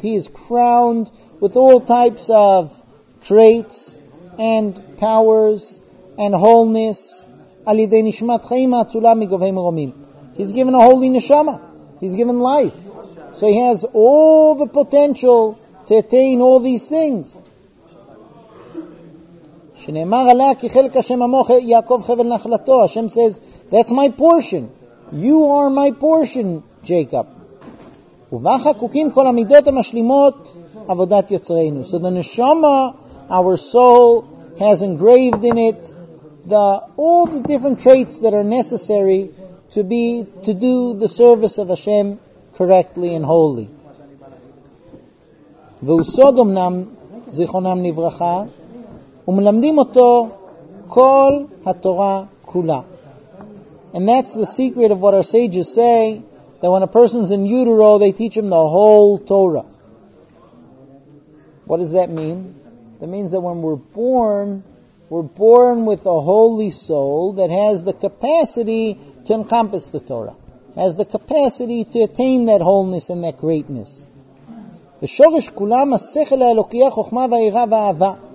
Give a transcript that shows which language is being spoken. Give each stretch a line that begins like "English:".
English: He is crowned with all types of traits and powers and wholeness.
Hebrew: Al yedei nishmat chayim ha'atzula migovei meromim.
English: He's given a holy neshama. He's given life. So he has all the potential to attain all these things.
Hebrew: שנאמר עליה כי חלק השם עמו יעקב חבל נחלתו.
English: Hashem says, that's my portion. You are my portion, Jacob.
Hebrew: ובה חקוקים כל המידות המשלימות עבודת יוצרנו.
English: So the neshama, our soul, has engraved in it all the different traits that are necessary to do the service of Hashem correctly and holy.
Hebrew: והוא סוד אמנם זיכרונם לברכה, ומלמדים אותו כל התורה כולה.
English: And that's the secret of what our sages say, that when a person's in utero, they teach him the whole Torah. What does that mean? That means that when we're born with a holy soul that has the capacity to encompass the Torah, has the capacity to attain that wholeness and that greatness.
Hebrew: ושורש כולם השכל האלוקי החוכמה והיראה והאהבה.